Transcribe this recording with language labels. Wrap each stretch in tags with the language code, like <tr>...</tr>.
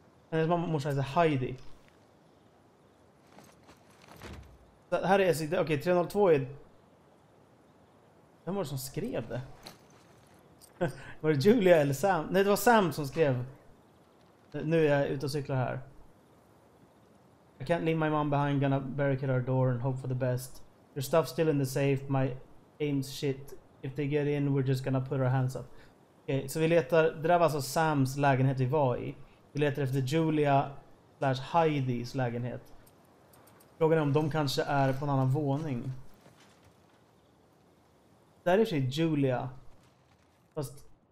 <sv>Hennes mamma och morsa heter Heidi. Så här är SID. Okej, 302 är... Vem var det som skrev det? Var det Julia eller Sam? Nej, det var Sam som skrev. Nu är jag ute och cyklar här.</sv> <en>I can't leave my mom behind. Gonna barricade our door and hope for the best. Your stuff's still in the safe. My aim's shit. If they get in, we're just gonna put our hands up.</en> <sv>Okej, okay, så vi letar, det där var alltså Sams lägenhet vi var i. Vi letar efter Julia slash Heidis lägenhet. Frågan är om de kanske är på en annan våning. Där är sig Julia. Fast...</sv>